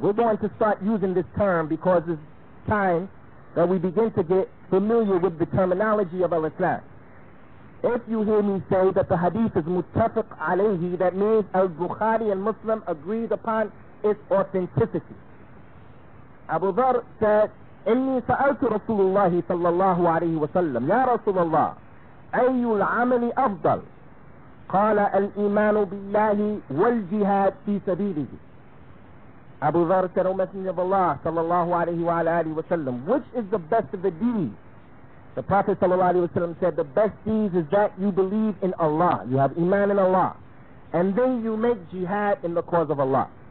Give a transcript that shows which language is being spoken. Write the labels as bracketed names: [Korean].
[English] We're going to start using this term because it's time that we begin to get familiar with the terminology of al-Islam. If you hear me say that the hadith is Muttafaq alayhi, that means al-Bukhari al-Muslim agrees upon its authenticity. Abu Dharr said, [Arabic] إني سألت رسول الله صلى الله عليه وسلم يا رسول الله أي العمل أفضل قال الإيمان بالله والجهاد في سبيله. [English] أبو ذر said, O Messenger of Allah [Arabic] صلى الله عليه وعلى آله وسلم, [English] which is the best of the deeds? The Prophet [Arabic] صلى الله عليه وسلم [English] said, the best deeds is that you believe in Allah, you have iman in Allah, and then you make jihad in the cause of Allah.